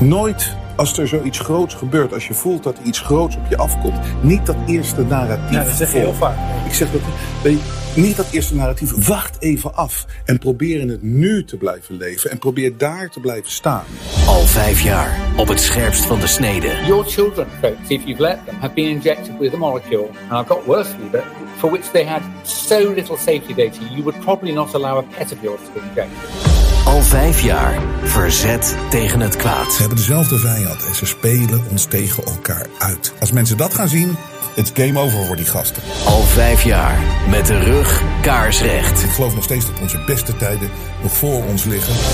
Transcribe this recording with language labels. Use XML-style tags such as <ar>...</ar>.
<nl>Nooit als er zoiets groots gebeurt, als je voelt dat iets groots op je afkomt. Niet dat eerste narratief. Nou, dat zeg je heel vaak. Ik zeg dat niet dat eerste narratief. Wacht even af en probeer in het nu te blijven leven en probeer daar te blijven staan. Al 5 jaar op het scherpst van de snede.</nl> <en>Your children, folks, if you've let them, have been injected with a molecule. And I've got worse for you, but for which they had so little safety data, you would probably not allow a pet of yours to be injected.</en> <nl>Al 5 jaar verzet tegen het kwaad. Ze hebben dezelfde vijand en ze spelen ons tegen elkaar uit. Als mensen dat gaan zien, het is game over voor die gasten. Al 5 jaar met de rug kaarsrecht. Ik geloof nog steeds dat onze beste tijden nog voor ons liggen.</nl>